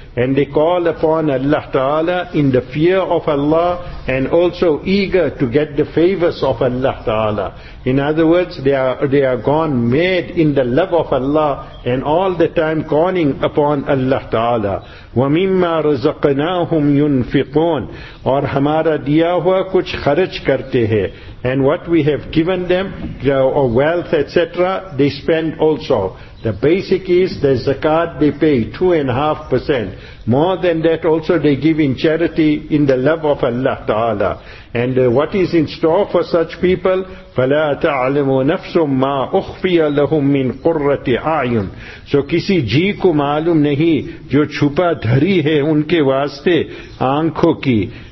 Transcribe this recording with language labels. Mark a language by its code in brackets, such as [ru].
[en] And they call upon Allah Ta'ala in the fear of Allah and also eager to get the favors of Allah Ta'ala. In other words, they are gone mad in the love of Allah and all the time calling upon Allah Ta'ala. [ar] وَمِمَّا رَزَقْنَاهُمْ يُنفِقُونَ [ur] اور ہمارا دیا ہوا کچھ خرچ کرتے ہیں. [en] And what we have given them, or wealth, etc., they spend also. The basic is the zakat they pay, 2.5%. More than that also they give in charity in the love of Allah Ta'ala. And what is in store for such people? [ar] فَلَا تَعْلَمُ نَفْسٌ مَا أُخْفِيَ لَهُمْ مِنْ قُرَّةِ عَيُنْ. [ur] So کسی جی کو معلوم نہیں جو چھپا دھری ہے ان کے واسطے آنکھوں کی.